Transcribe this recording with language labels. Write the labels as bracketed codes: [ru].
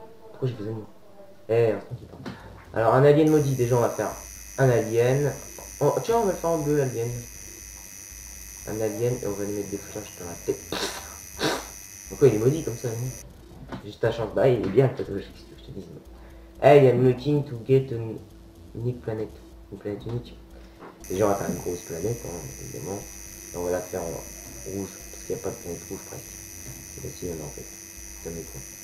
[fr] Pourquoi j'ai besoin de... Alors un alien maudit, déjà on va faire un alien. Oh, tiens, on va faire en deux aliens. Un alien et on va lui mettre des flashs dans la tête. Pourquoi il est maudit comme ça, non? Juste ta chance. Bah il est bien le tatouage, qu'est-ce que je te dis. [en] Hey, I'm looking to get a unique planet. [fr] Une planète unique. Déjà on va faire une grosse planète, hein, évidemment. Et on va la faire en rouge, parce qu'il n'y a pas de planète rouge presque. C'est facile en fait. Donne les points.